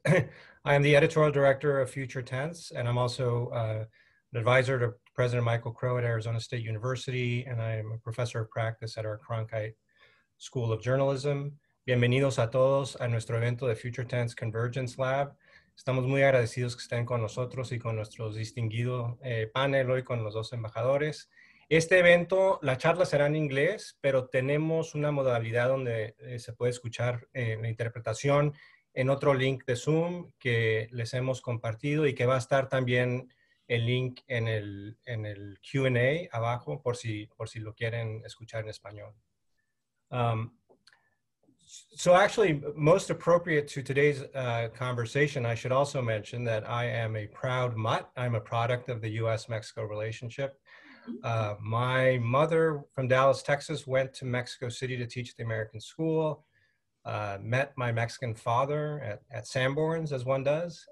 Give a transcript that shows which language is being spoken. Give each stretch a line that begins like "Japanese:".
English: I am the editorial director of Future Tense, and I'm also an advisor to President Michael Crow at Arizona State University, and I'm a professor of practice at our Cronkite School of Journalism.
Spanish: Bienvenidos a todos a nuestro evento de Future Tense Convergence Lab. Estamos muy agradecidos que estén con nosotros y con nuestro distinguido panel hoy con los dos embajadores. Este evento, la charla será en inglés, pero tenemos una modalidad donde se puede escuchar la interpretación en otro link de Zoom que les hemos compartido y que va a estar también el link en el Q&A abajo por si lo quieren escuchar en español.
English: So actually, most appropriate to today's conversation, I should also mention that I am a proud mutt. I'm a product of the U.S.-Mexico relationship. My mother from Dallas, Texas, went to Mexico City to teach at the American school, met my Mexican father at Sanborns, as one does.